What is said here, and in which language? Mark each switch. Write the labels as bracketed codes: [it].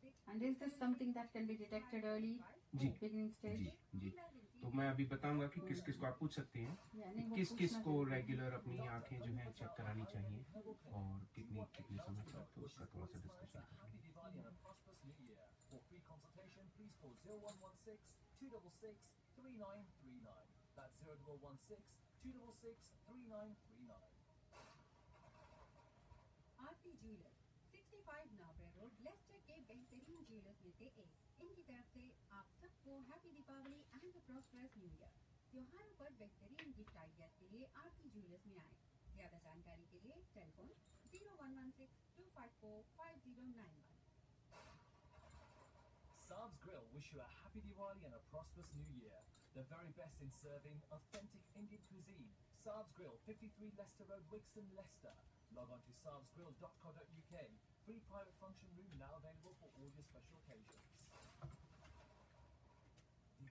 [en] And is this something that can be detected early? [hi] Ji, [en] beginning stage? [hi] जी, जी, तो मैं अभी बताऊंगा कि किस किस को आप पूछ सकते हैं, किस किस को रेगुलर अपनी आंखें जो है चेक करानी चाहिए और कितनी कितनी समय तक, तो उसका थोड़ा सा डिस्कशन। ओके, इनकी तरफ से आप सबको [en] Happy Deepavali and prosperous new year. [hi] त्योहारों पर बेहतरीन गिफ्ट आइडियाज के लिए आरती ज्वेलर्स में आएं। ज्यादा जानकारी के लिए telephone 0116-254-5091। [en] Sab's Grill wish you a happy Diwali and a prosperous new year. The very best in serving authentic Indian cuisine. Sab's Grill, 53 Leicester Road, Wixon, Leicester. Log on to sabsgrill.co.uk. Free private function room now available for all your special occasions. The